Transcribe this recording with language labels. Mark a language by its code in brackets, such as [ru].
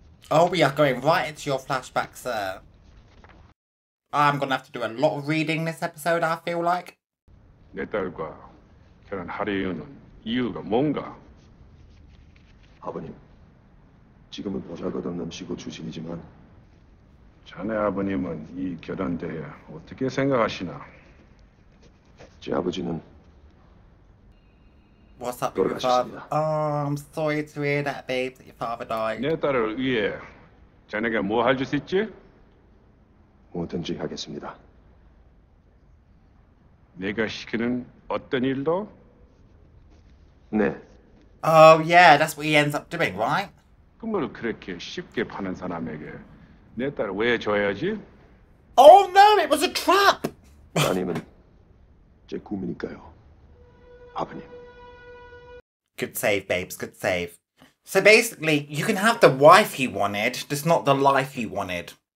[en] Oh, we are going right into your flashback, sir. I'm gonna have to do a lot of reading this episode, I feel like. [ko] 내 딸과 결혼할 이유는 이유가 뭔가? 아버님, 지금은 보잘것없는 남시고 주신이지만 자네 아버님은 이 결혼 대해 어떻게 생각하시나? 제 아버지는 [en] What's up, your father? Oh, I'm sorry to hear that, babe, that your father died. [ko] 내 딸을 위해 자네가 뭐 할 수 있지? 뭐든지 하겠습니다. 내가 시키는 어떤 일도? 네. [en] Oh yeah, that's what he ends up doing, right? [ko] 꿈을 그렇게 쉽게 파는 사람에게 내 딸을 왜 줘야지? [en] Oh no, it was a trap! [ko] 아니면 제 꿈이니까요, 아버님. [en] Good save, babes, good save. So basically, you can have the wife you wanted, just not the life you wanted.